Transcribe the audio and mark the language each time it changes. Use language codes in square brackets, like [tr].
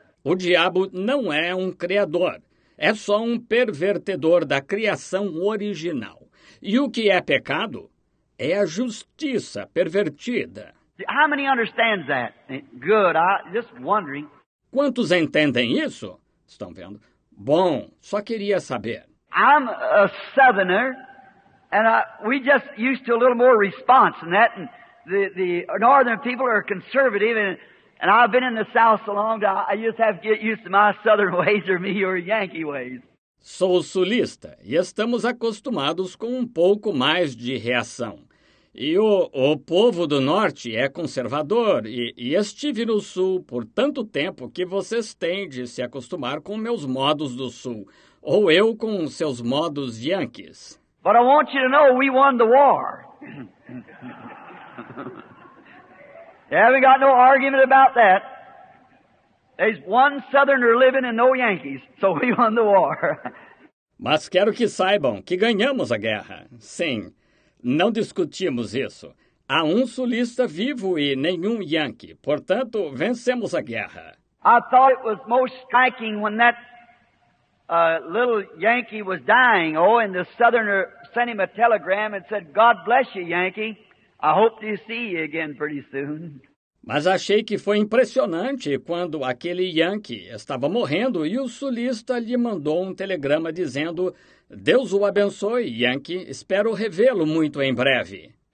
[pt] O diabo não é um criador. É só um pervertedor da criação original. E o que é pecado é a justiça pervertida. [en] How many understand that? Good, I'm just wondering. [pt] Quantos entendem isso? Estão vendo? Bom, só queria saber. [en] I'm a southerner, and we just used to a little more response than that. And the northern people are conservative, and I've been in the south so long that I just have to get used to my southern ways or me or Yankee ways. [pt] Sou sulista, e estamos acostumados com um pouco mais de reação. E o povo do norte é conservador, e estive no sul por tanto tempo que vocês têm de se acostumar com meus modos do sul, ou eu com seus modos yankees. [en] But I want you to know we won the war. Yeah, we got no argument about that. There's one southerner living and no Yankees, so we won the war. [pt] Mas quero que saibam que ganhamos a guerra, sim. Não discutimos isso. Há um sulista vivo e nenhum Yankee. Portanto, vencemos a guerra. [en] I thought it was most striking when that little Yankee was dying. Oh, and the southerner sent him a telegram and said, God bless you, Yankee. I hope to see you again pretty soon. [pt] Mas achei que foi impressionante quando aquele Yankee estava morrendo e o sulista lhe mandou um telegrama dizendo, Deus o abençoe, Yankee. Espero revê-lo muito em breve.